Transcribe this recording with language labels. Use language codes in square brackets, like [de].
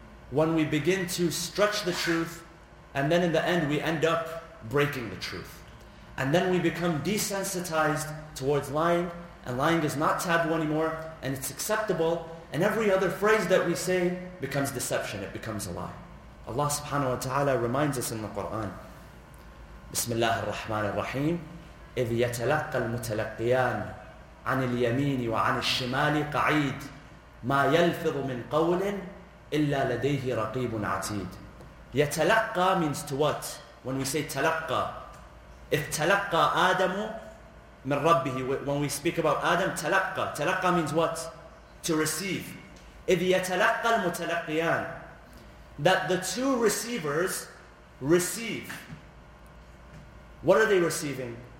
[en] When we begin to stretch the truth, and then in the end we end up breaking the truth. And then we become desensitized towards lying, and lying is not taboo anymore, and it's acceptable, and every other phrase that we say becomes deception, it becomes a lie. Allah subhanahu wa ta'ala reminds us in the Quran, [ar] Bismillah ar-Rahman ar-Rahim, إِذْ يَتَلَقَّ الْمُتَلَقِّيَانِ عَنِ الْيَمِينِ وَعَنِ الشِّمَالِ قَعِيدٍ مَا يَلْفِظُ مِنْ قَوْلٍ إِلَّا لَدَيْهِ رَقِيبٌ عَتِيدٍ. [en] يَتَلَقَّى means to what? When we say تَلَقَّى, [ar] إِذْ تَلَقَّى آدَمُ مِنْ رَبِّهِ, [en] when we speak about Adam, تَلَقَّى, تَلَقَّى means what? To receive. [ar] إِذْ يَتَلَقَّى الْمُتَلَقِّيَانِ, [en] that the two receivers receive. What are they receiving?